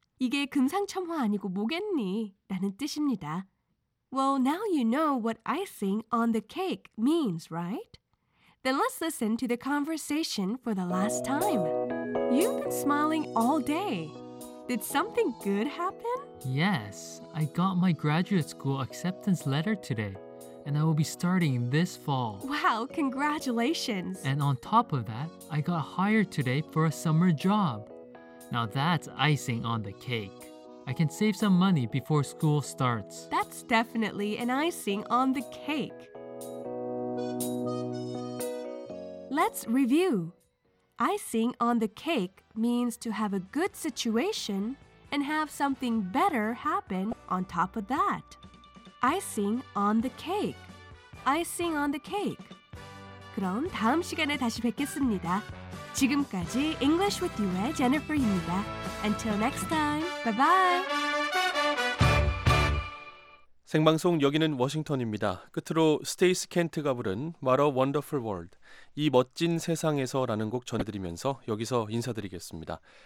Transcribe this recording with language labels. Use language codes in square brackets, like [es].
[ko] 이게 금상첨화 아니고 뭐겠니? 라는 뜻입니다. [en] Well, now you know what icing on the cake means, right? Then let's listen to the conversation for the last time. You've been smiling all day. Did something good happen? Yes, I got my graduate school acceptance letter today. And I will be starting this fall. Wow, congratulations! And on top of that, I got hired today for a summer job. Now that's icing on the cake. I can save some money before school starts. That's definitely an icing on the cake. Let's review. Icing on the cake means to have a good situation and have something better happen on top of that. Icing on the cake. Icing on the cake. [ko] 그럼 다음 시간에 다시 뵙겠습니다. 지금까지 [en] English with you의 Jennifer입니다. Until next time. Bye-bye. [ko] 생방송 여기는 워싱턴입니다. 끝으로 스테이스 켄트가 부른 What a Wonderful World, 이 멋진 세상에서라는 곡 전해드리면서 여기서 인사드리겠습니다.